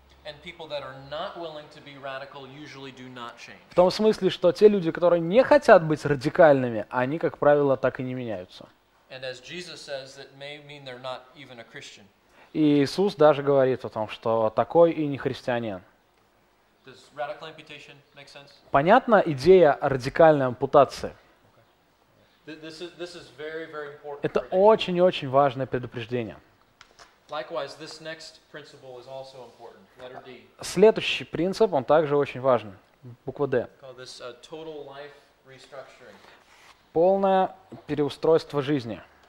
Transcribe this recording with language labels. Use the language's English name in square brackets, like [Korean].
[English] And people that are not willing to be radical usually do not change. [Russian] В том смысле, что те люди, которые не хотят быть радикальными, они, как правило, так и не меняются. [English] And as Jesus says, that may mean they're not even a Christian. [Russian] И Иисус даже говорит о том, что такой и не христианин. [English] Does radical amputation make sense? [Russian] Понятна идея радикальной ампутации? [English] Okay. This is very, very important. [Russian] Это очень-очень важное предупреждение. [English] Likewise, this next principle is also important. Letter D. [Russian] Следующий принцип, он также очень важен. Буква D. [English] Call this a total life restructuring. [Russian] Полное переустройство жизни.